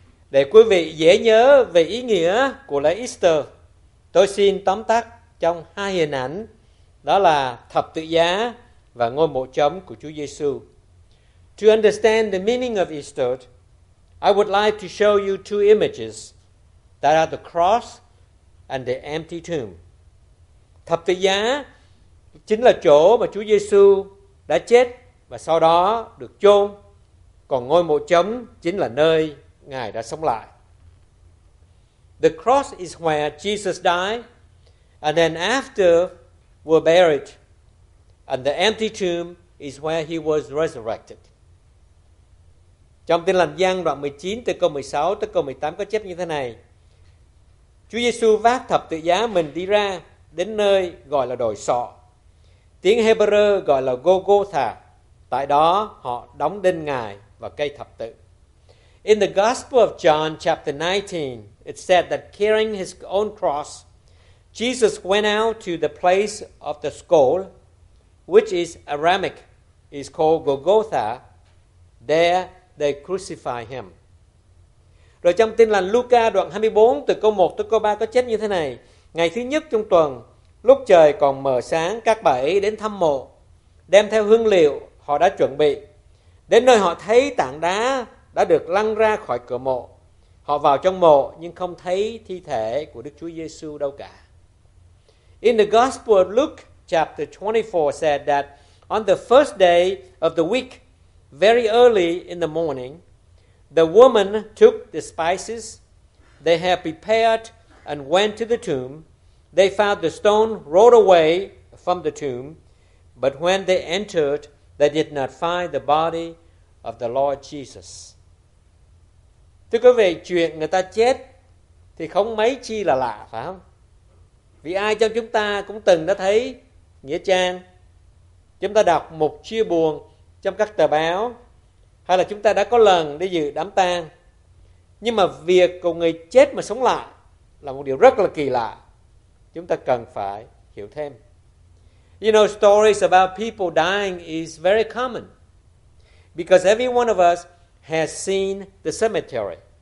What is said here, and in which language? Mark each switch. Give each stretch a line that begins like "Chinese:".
Vietnamese: Để quý vị dễ nhớ về ý nghĩa của lễ Easter, tôi xin tóm tắt trong 2 hình ảnh, đó là thập tự giá và ngôi mộ trống của Chúa Giêsu.
English: To understand the meaning of Easter, I would like to show you 2 images that are the cross and the empty tomb.
Vietnamese: Thập tự giá chính là chỗ mà Chúa Giêsu đã chết và sau đó được chôn, còn ngôi mộ trống chính là nơi Ngài đã sống lại.
English: The cross is where Jesus died, and then after were buried, and the empty tomb is where he was resurrected.
Vietnamese: Trong Tin Lành Giăng đoạn 19 từ câu 16 tới câu 18 có chép như thế này: Chúa Giêsu vác thập tự giá mình đi ra đến nơi gọi là đồi sọ, tiếng Hebrew gọi là Gogotha. Tại đó họ đóng đinh Ngài và cây thập tự.
English: In the Gospel of John chapter 19, it said that carrying his own cross, Jesus went out to the place of the skull, which is Aramaic, is called Gogotha. There they crucify him.
Vietnamese: Rồi trong Tin Lành Luca đoạn 24 từ câu 1 tới câu 3 có chép như thế này: Ngày thứ nhất trong tuần, lúc trời còn mờ sáng, các bảy đến thăm mộ, đem theo hương liệu họ đã chuẩn bị. Đến nơi họ thấy tảng đá đã được lăn ra khỏi cửa mộ. Họ vào trong mộ nhưng không thấy thi thể của Đức Chúa Giêsu đâu cả.
English: In the Gospel of Luke chapter 24 said that on the first day of the week, very early in the morning, the woman took the spices they had prepared and went to the tomb. They found the stone rolled away from the tomb, but when they entered, they did not find the body of the Lord Jesus.
Vietnamese: Thưa quý vị, chuyện người ta chết thì không mấy chi là lạ, phải không? Vì ai trong chúng ta cũng từng đã thấy nghĩa trang, chúng ta đọc một chia buồn trong các tờ báo, hay là chúng ta đã có lần đi dự đám tang. Nhưng mà việc của người chết mà sống lại là một điều rất là kỳ lạ. Chúng ta cần phải hiểu thêm.
English: You know, stories about people dying is very common because every one of us has seen the cemetery.